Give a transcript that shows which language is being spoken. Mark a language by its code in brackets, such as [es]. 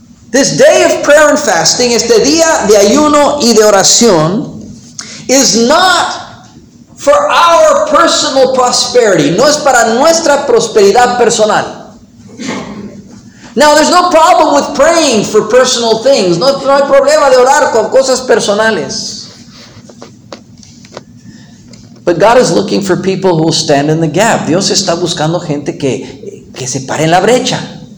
[en] This day of prayer and fasting, [es] este día de ayuno y de oración, [en] is not for our personal prosperity. [es] No es para nuestra prosperidad personal. [en] Now, there's no problem with praying for personal things. [es] No hay problema de orar con cosas personales. [en] But God is looking for people who will stand in the gap. [es] Dios está buscando gente que se pare en la brecha.